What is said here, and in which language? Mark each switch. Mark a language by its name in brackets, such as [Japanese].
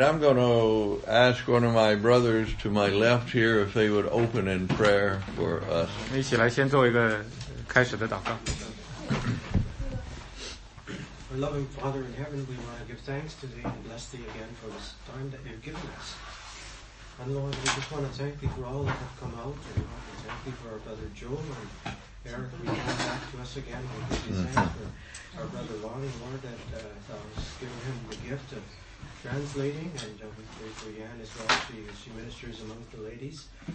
[English] I'm going to ask one of my brothers to my left here if they would open in prayer for us. [Chinese] 一起来先做一个开始的祷告。 [English] Our loving Father in heaven, we want to give thanks to thee and bless thee again for this time that you've given us. And Lord, we just want to thank thee for all that have come out, and we want to thank thee for our brother Joel and Eric, we come back to us again. We give thee thanks for our brother Lonnie, Lord, that thou hast given him the gift of translating, and we pray for Yan as well, she ministers amongst the ladies.